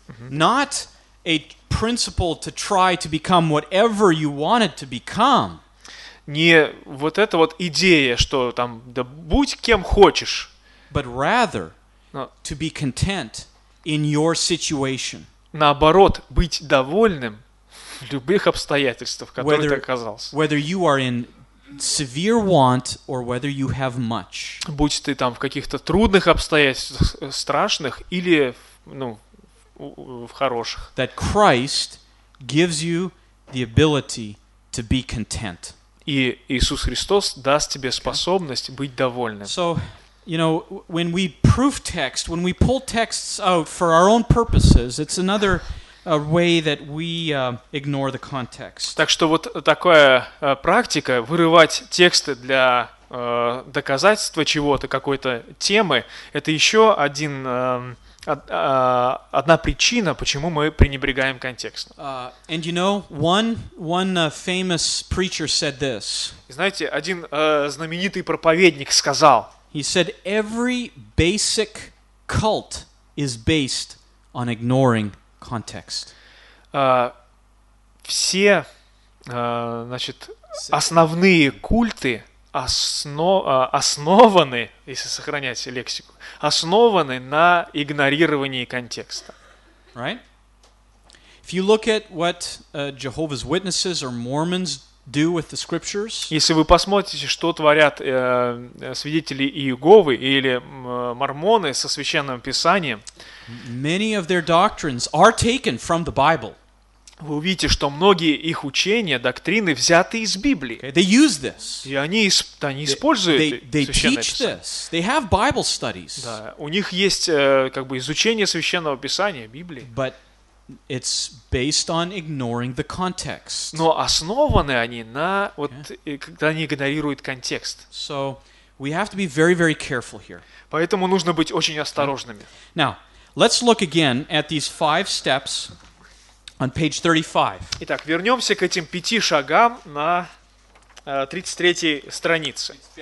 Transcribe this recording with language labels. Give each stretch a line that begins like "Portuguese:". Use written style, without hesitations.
English: Not a principle to try to become whatever you wanted to become.
Russian: Не вот эта вот идея, что там, да будь кем хочешь.
English: But rather, to be content in your situation.
Russian: Наоборот, быть довольным в любых обстоятельствах, в которых ты оказался.
English: Whether you are in severe want or whether you have much.
Russian: Будь ты там в каких-то трудных обстоятельствах, страшных или, ну, в хороших.
English: That Christ gives you the ability to be content.
Russian: И Иисус Христос даст тебе способность быть довольным.
English: So, you know, when we proof text, when we pull texts out for our own purposes, it's another way that we ignore the context.
Russian: Так что вот такая практика вырывать тексты для доказательство чего-то, какой-то темы, это еще один, одна причина, почему мы пренебрегаем контекстом.
English: And you know, one famous preacher said this.
Russian: Знаете, один знаменитый проповедник сказал.
English: He said, every basic cult is based on ignoring context.
Russian: Все, значит, основные культы основаны, если сохранять лексику, основаны на игнорировании контекста.
English: Right? If you look at what Jehovah's Witnesses or Mormons do with the scriptures,
Russian: если вы посмотрите, что творят свидетели Иеговы или мормоны со священным писанием,
English: many of their doctrines are taken from the Bible.
Russian: Вы увидите, что многие их учения, доктрины взяты из Библии.
English: Okay, they use this.
Russian: И они используют священное писание. Да, у них есть как бы изучение священного писания, Библии.
English: But it's based on ignoring the context.
Russian: Но основаны они на вот, когда они игнорируют контекст.
English: So we have to be very, very careful here.
Russian: Поэтому нужно быть очень осторожными.
English: Now, let's look again at these five steps. On page 35.
Russian: Итак, вернемся к этим пяти шагам на 33-й странице.